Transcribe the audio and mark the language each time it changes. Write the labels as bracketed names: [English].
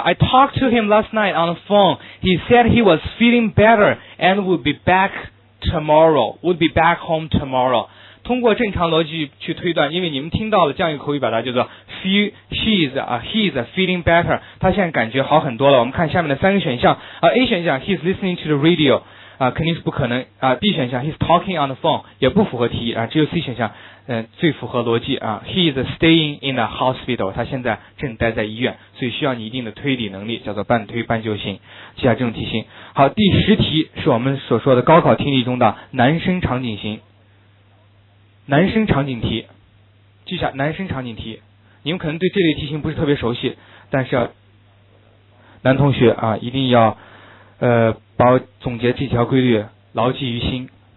[English] I talked to him last night on the phone. He said he was feeling better and would be backTomorrow would be back home tomorrow. [Chinese] 通过正常逻辑去推断，因为你们听到了这样一个口语表达，叫做 [English] he's feeling better. [Chinese] 他现在感觉好很多了。我们看下面的三个选项。 [English] A [Chinese] 选项 [English] he's listening to the radio. [Chinese] 肯定是不可能。 B 选项 [English] he's talking on the phone [Chinese] 也不符合题。只有 C 选项，最符合逻辑。 [English] He's staying in the hospital. [Chinese] 他现在正待在医院，所以需要你一定的推理能力，叫做半推半就型。记下这种题型。好，第十题是我们所说的高考听力中的男生场景型，男生场景题，记下男生场景题。你们可能对这类题型不是特别熟悉，但是要男同学啊，一定要把我总结这条规律牢记于心。